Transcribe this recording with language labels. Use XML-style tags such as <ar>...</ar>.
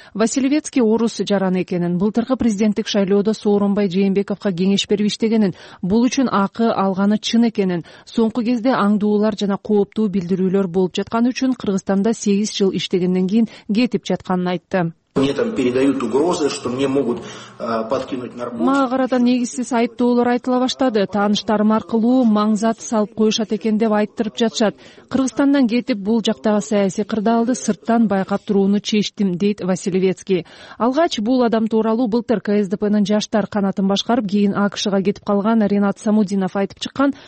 <ky>Василевецкий орус жараны экенин, былтыркы президенттик шайлоодо Сооронбай Жээнбековго кеңеш берип иштегенин, бул үчүн акы алганы чын экенин, соңку кезде аңдуулар жана кооптуу билдирүүлөр болуп жатканы үчүн Кыргызстанда 8 жыл иштегенден кийин кетип жатканын айтты.</ky> <ru>Мне там передают угрозы, что мне могут подкинуть</ru> <ky>нарбучи. Мага арада негизсиз айыптоолор айтыла баштады. Тааныштарым аркылуу маңзат салып коюшат экен деп айттырып жатышат. Кыргызстандан кетип бул жактагы саясий кырдаалды сырттан байкап турууну чечтим, дейт Василевецкий. Алгач бул адам тууралуу былтыр КСДПнын жаштар канатын башкарып, кийин АКШга кетип калган Ренат Самудинов айтып чыккан.</ky>